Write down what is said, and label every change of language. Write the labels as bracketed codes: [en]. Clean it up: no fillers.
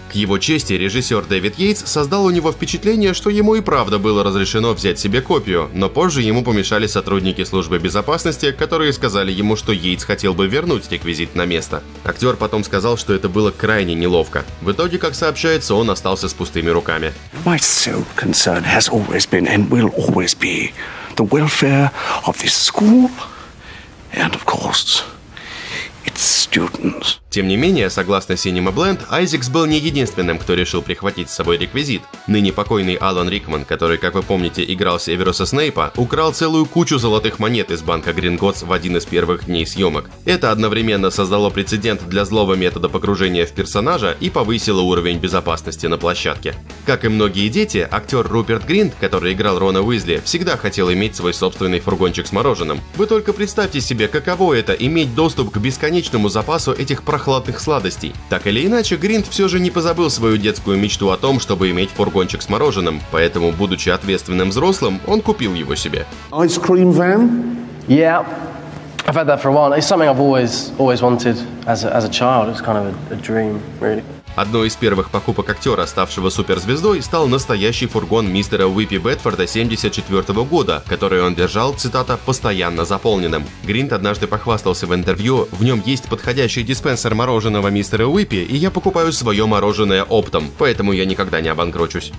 [ru] К его чести, режиссер Дэвид Йейтс создал у него впечатление, что ему и правда было разрешено взять себе копию, но позже ему помешали сотрудники службы безопасности, которые сказали ему, что Йейтс хотел бы вернуть реквизит на место. Актер потом сказал, что это было крайне неловко. В итоге, как сообщается, он остался с пустыми руками. [en] My sole concern has always been and will always be the welfare of this school and, of course, its students. [ru] Тем не менее, согласно CinemaBlend, Айзекс был не единственным, кто решил прихватить с собой реквизит. Ныне покойный Алан Рикман, который, как вы помните, играл Северуса Снейпа, украл целую кучу золотых монет из банка Гринготтс в один из первых дней съемок. Это одновременно создало прецедент для злого метода погружения в персонажа и повысило уровень безопасности на площадке. Как и многие дети, актер Руперт Гринт, который играл Рона Уизли, всегда хотел иметь свой собственный фургончик с мороженым. Вы только представьте себе, каково это — иметь доступ к бесконечному запасу этих прохладных сладостей. Так или иначе, Гринт все же не позабыл свою детскую мечту о том, чтобы иметь фургончик с мороженым, поэтому, будучи ответственным взрослым, он купил его себе. [en] Ice cream van? Yeah. I've had that for a while. It's something I've always wanted as a child. It's kind of a dream, really. [ru] Одной из первых покупок актера, ставшего суперзвездой, стал настоящий фургон мистера Уиппи Бетфорда 1974 года, который он держал, цитата, «постоянно заполненным». Гринт однажды похвастался в интервью: «В нем есть подходящий диспенсер мороженого мистера Уиппи, и я покупаю свое мороженое оптом, поэтому я никогда не обанкрочусь».